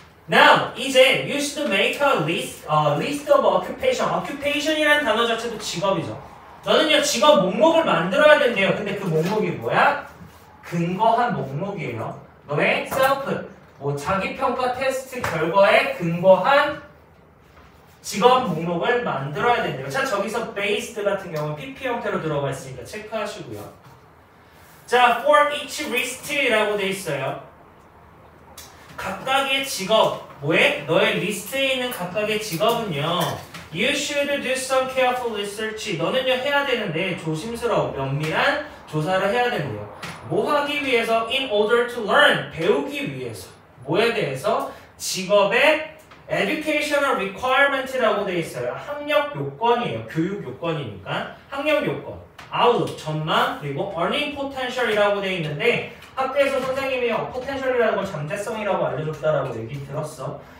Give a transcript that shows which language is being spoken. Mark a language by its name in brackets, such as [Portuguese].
[English] Now, [Korean] 이제 [English] you should make a list, list of occupation. [Korean] Occupation이라는 단어 자체도 직업이죠. 너는요 직업 목록을 만들어야 된대요. 근데 그 목록이 뭐야? 근거한 목록이에요. 너의 셀프, 뭐 자기평가 테스트 결과에 근거한 직업 목록을 만들어야 된대요. 자, 저기서 based 같은 경우는 PP 형태로 들어가 있으니까 체크하시고요. 자, [English] for each list [Korean] 라고 돼 있어요. 각각의 직업, 뭐에? 너의 리스트에 있는 각각의 직업은요. [English] You should do some careful research. [Korean] 너는요 해야 되는데 조심스러운 면밀한 조사를 해야 되는데요. 뭐 하기 위해서? [English] In order to learn, [Korean] 배우기 위해서. 뭐에 대해서? 직업의 educational requirement라고 돼 있어요. 학력 요건이에요. 교육 요건이니까. 학력 요건, outlook, 전망, 그리고 earning potential이라고 돼 있는데 학교에서 선생님이 포텐셜이라는 걸 잠재성이라고 알려줬다라고 얘기 들었어.